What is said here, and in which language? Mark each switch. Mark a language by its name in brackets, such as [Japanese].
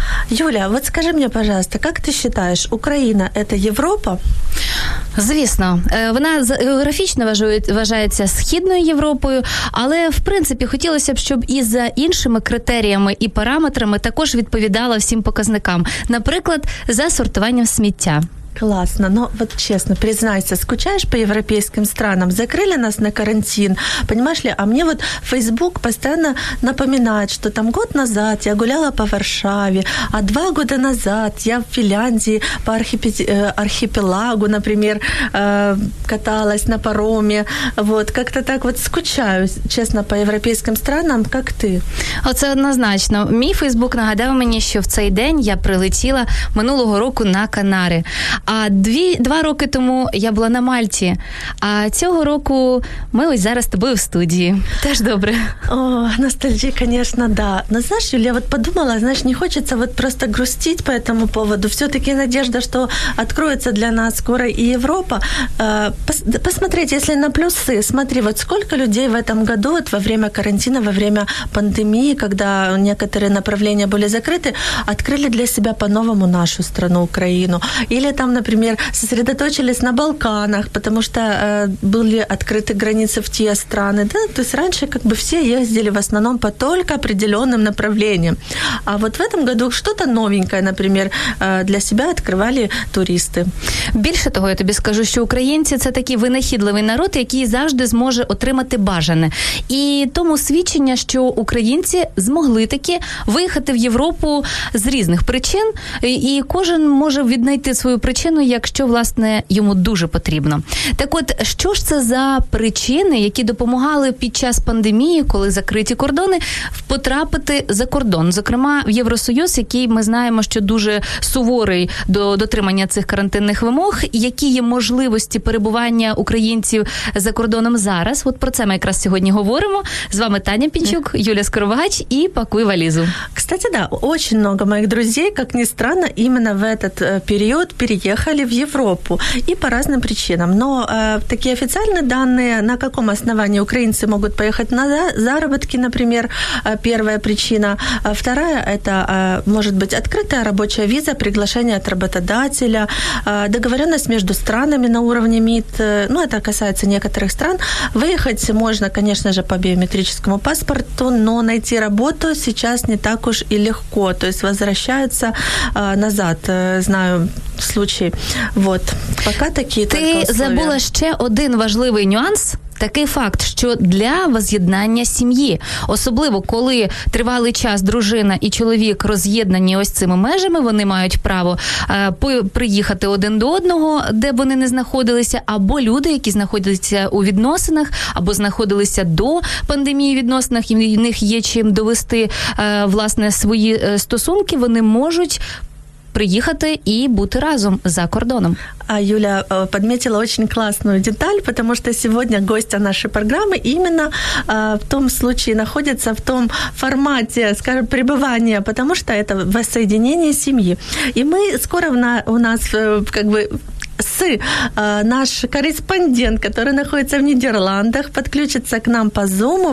[Russian] Юля, вот скажи мне, пожалуйста, как ты считаешь, Украина – это Европа? [Ukrainian] Звісно, вона географічно вважається Східною Європою, але, в принципі, хотілося б, щоб і за іншими критеріями і параметрами також відповідала всім показникам. Наприклад, за сортуванням сміття. Класно. [Russian] Ну, вот честно, признайся, скучаешь по европейским странам? Закрыли нас на карантин, понимаешь ли? А мне вот Facebook постоянно напоминает, что там год назад я гуляла по Варшаве, а 2 года назад я в Финляндии по архипелагу, например, каталась на пароме. Вот, как-то так вот скучаю, честно, по европейским странам, как ты. [Ukrainian] Оце однозначно. Мій Facebook нагадав мені, що в цей день я прилетіла минулого року на Канари. А 2 роки тому я була на Мальті, а цього року ми ось зараз з тобою в студії. Теж добре. О, ностальгія, звісно, да. Ну, знаєш, Юля, от подумала, знаєш, не хочеться от просто грустити по цьому поводу. Все-таки надіжда, що відкриється для нас скоро і Європа. [Russian] Посмотрите, [Ukrainian] якщо на плюси, [Russian] смотри, [Ukrainian] от скільки людей в цьому году, от во время карантину, во время пандемії, коли деякі направлення були закриті, відкрили для себе по-новому нашу страну, Україну. [Russian] Или там, например, сосредоточились на Балканах, потому что были открыты границы в те страны. Да? То есть раньше как бы все ездили в основном по только определенным направлениям. А вот в этом году что-то новенькое, например, для себя открывали туристы. [Ukrainian] Більше того, я тобі скажу, що українці – це такий винахідливий народ, який завжди зможе отримати бажане. І тому свідчення, що українці змогли таки виїхати в Європу з різних причин, і кожен може віднайти свою причину, якщо, власне, йому дуже потрібно. Так от, що ж це за причини, які допомагали під час пандемії, коли закриті кордони, потрапити за кордон? Зокрема, в Євросоюз, який ми знаємо, що дуже суворий до дотримання цих карантинних вимог. Які є можливості перебування українців за кордоном зараз? От про це ми якраз сьогодні говоримо. З вами Таня Пінчук, Юля Скоробагач і «Пакуй валізу». [Russian] Кстати, да, очень много моих друзей, как ни странно, именно в этот период переехали в Европу. И по разным причинам. Но такие официальные данные, на каком основании украинцы могут поехать на заработки, например, первая причина. Вторая – это, может быть, открытая рабочая виза, приглашение от работодателя, договоренность между странами на уровне МИД. Ну, это касается некоторых стран. Выехать можно, конечно же, по биометрическому паспорту, но найти работу сейчас не так уж и легко. То есть возвращаются назад. Знаю, случай. Вот. Пока такие только условия. Ты забыла еще один важный нюанс. [Ukrainian] Такий факт, що для воз'єднання сім'ї, особливо коли тривалий час дружина і чоловік роз'єднані ось цими межами, вони мають право приїхати один до одного, де б вони не знаходилися, або люди, які знаходяться у відносинах, або знаходилися до пандемії відносинах, і в них є чим довести власне свої стосунки, вони можуть [Russian] приехать и быть [Ukrainian] разом за кордоном. [Russian] А Юля подметила очень классную деталь, потому что сегодня гостья нашей программы именно в том случае находится в том формате, скажем, пребывания, потому что это воссоединение семьи. И мы скоро у нас как бы наш корреспондент, который находится в Нидерландах, подключится к нам по Зуму.